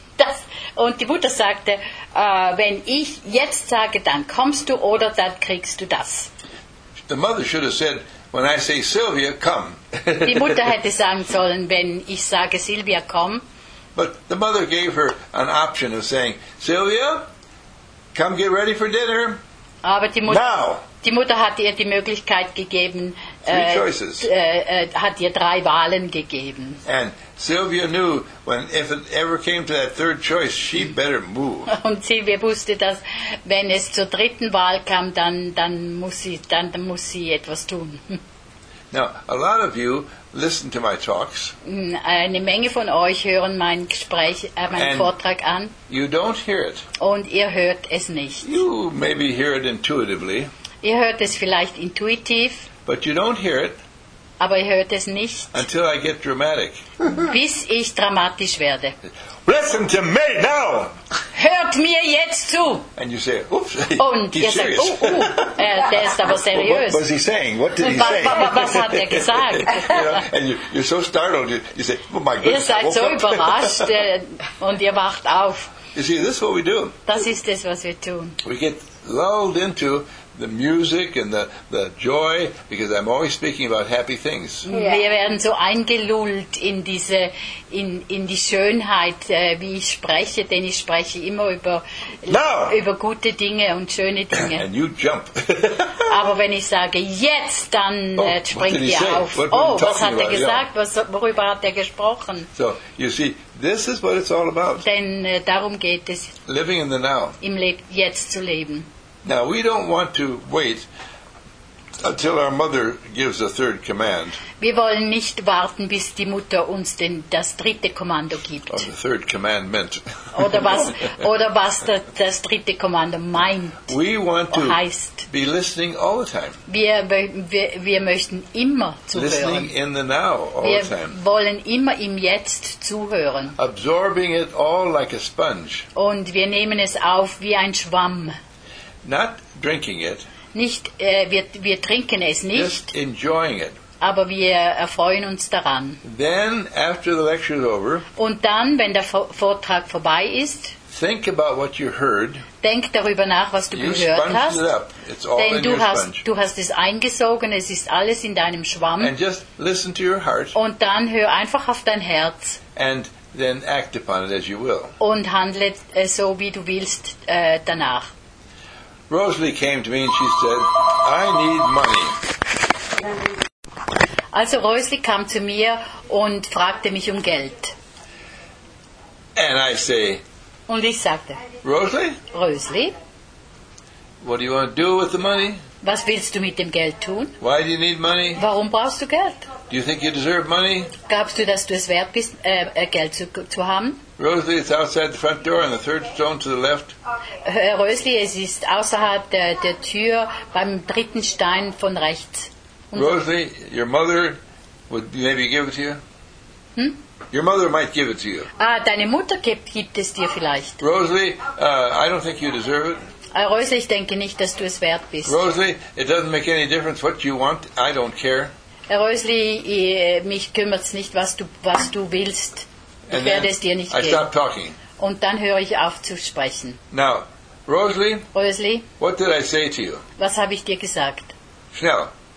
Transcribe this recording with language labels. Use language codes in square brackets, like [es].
[de] Das, und die Mutter sagte, wenn ich jetzt sage, dann kommst du, oder dann kriegst du das. [en] The mother should have said, when I say Sylvia, come. [de] Die Mutter hätte sagen sollen, wenn ich sage Sylvia, komm. [en] But the mother gave her an option of saying, Sylvia, come get ready for dinner. [de] Aber die Mutter, [en] now. [de] Die Mutter hat ihr die Möglichkeit gegeben, hat ihr 3 Wahlen gegeben. [en] And Sylvia knew when if it ever came to that third choice, she better move. [de] Und Sylvia wusste, dass wenn es zur dritten Wahl kam, dann muss sie etwas tun. [en] Now, a lot of you listen to my talks. [de] Eine Menge von euch hören mein Gespräch, meinen Vortrag an. [en] You don't hear it. [de] Und ihr hört es nicht. [en] You maybe hear it intuitively. [de] Ihr hört es vielleicht intuitiv. [en] But you don't hear it. [de] Aber ihr hört es nicht. [en] Until I get dramatic. [de] Bis ich dramatisch werde. [en] Listen to me now. [de] Hört mir jetzt zu. [en] And you say, oops. [de] Und [en] he's [de] ihr [en] serious. [de] Sagt, der ist aber seriös. [en] What was he saying? What did he say? [de] Was hat er gesagt? [en] And you're so startled. You say, oh my goodness. [de] Ihr seid so überrascht und ihr wacht auf. [en] You see, this is what we do. [de] Das ist es, was wir tun. [en] We get lulled into the music and the joy, because I'm always speaking about happy things. Yeah. [de] Wir werden so eingelullt in diese in die Schönheit, wie ich spreche, denn ich spreche immer über gute Dinge und schöne Dinge. [en] And you jump. [de] Aber wenn ich sage jetzt, dann springt ihr auf. Was hat er gesagt? Worüber hat er gesprochen? [en] So you see, this is what it's all about. [de] Denn darum geht es. [en] Living in the now. [de] Im jetzt zu leben. [en] Now, we don't want to wait until our mother gives a third command. [de] Wir wollen nicht warten, bis die Mutter uns das dritte Kommando gibt. [en] Or the third commandment. [de] oder was das dritte Kommando meint. [en] We want to [de] heißt. [en] Be listening all the time. [de] Wir möchten immer zuhören. [en] Listening in the now all [de] wir [en] the time. [de] Wir wollen immer im Jetzt zuhören. [en] Absorbing it all like a sponge. [de] Und wir nehmen es auf wie ein Schwamm. [en] Not drinking it. [de] Nicht, wir trinken es nicht. [en] Just enjoying it. [de] Aber wir erfreuen uns daran. [en] Then, after the lecture is over. [de] Und dann, wenn der Vortrag vorbei ist. [en] Think about what you heard. [de] Denk darüber nach, was du gehört hast. [en] You sponged it up. It's all [de] denn [en] in your sponge. [de] Denn du hast es eingesogen. Es ist alles in deinem Schwamm. [en] And just listen to your heart. [de] Und dann hör einfach auf dein Herz. [en] And then act upon it as you will. [de] Und handle so, wie du willst danach. [en] Rosalie came to me and she said, I need money. [de] Also Rosalie kam zu mir und fragte mich um Geld. [en] And I say, [de] und ich sagte, [en] Rosalie, what do you want to do with the money? [de] Was willst du mit dem Geld tun? [en] Why do you need money? [de] Warum brauchst du Geld? [en] Do you think you deserve money? [de] Glaubst du, dass du es wert bist, Geld zu haben? [en] Rosalie, it's outside the front door on the third stone to the left. [de] Rosalie, es ist außerhalb der Tür beim dritten Stein von rechts. [en] Rosalie, your mother would maybe give it to you? Hm? Your mother might give it to you. [de] Ah, deine Mutter gibt es dir vielleicht. [en] Rosalie, I don't think you deserve it. [de] Rosa, ich denke nicht, dass du es wert bist. [en] Rosalie, it doesn't make any difference what you want. I don't care. [de] Rosalie, mich kümmert es nicht, was du willst. [en] And [de] ich werde es dir nicht [en] I [de] geben. [en] Stop talking. [de] Und dann höre ich auf zu sprechen. [en] Now, Rosalie, [de] Rosalie, [en] what did I say to you? [de] Was habe ich dir gesagt? Schnell.